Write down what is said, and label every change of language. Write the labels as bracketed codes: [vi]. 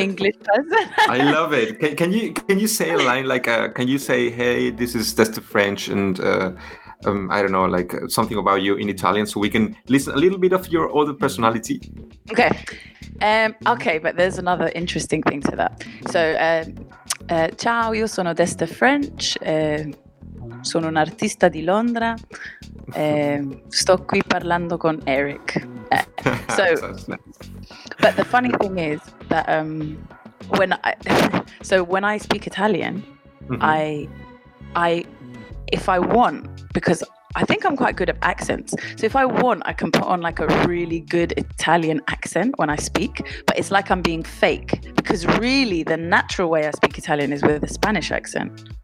[en] English person. I love it. Can you say a line like, can you say, hey, this is just the French and... I don't know, like something about you in Italian, so we can listen a little bit of your other personality. Okay. Okay, but there's another interesting thing to that. [it] So, ciao, io sono d'Este French, sono un artista di Londra, sto qui parlando con Eric. [en] So, but the funny thing is that when I speak Italian, mm-hmm. If I want, because I think I'm quite good at accents. So if I want, I can put on like a really good Italian accent when I speak, but it's like I'm being fake because really the natural way I speak Italian is with a Spanish accent.